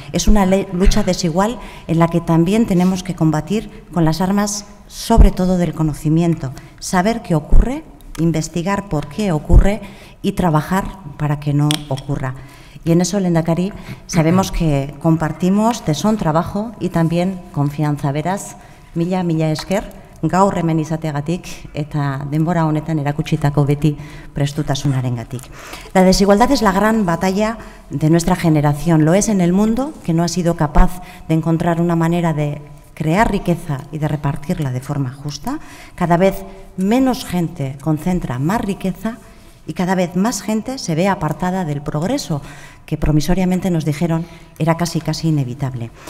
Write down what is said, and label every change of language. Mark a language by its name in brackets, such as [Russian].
[Spanish] Es una lucha desigual en la que también tenemos que combatir con las armas, sobre todo del conocimiento, saber qué ocurre, investigar por qué ocurre y trabajar para que no ocurra. Y en eso, Lehendakari, sabemos que compartimos tesón trabajo y también confianza. [Basque] Beraz, mila esker, gaur hemen izateagatik eta denbora honetan erakutsitako beti prestutasunarengatik. [Spanish] La desigualdad es la gran batalla de nuestra generación. Lo es en el mundo, que no ha sido capaz de encontrar una manera de crear riqueza y de repartirla de forma justa. Cada vez menos gente concentra más riqueza y cada vez más gente se ve apartada del progreso que promisoriamente nos dijeron era casi casi inevitable.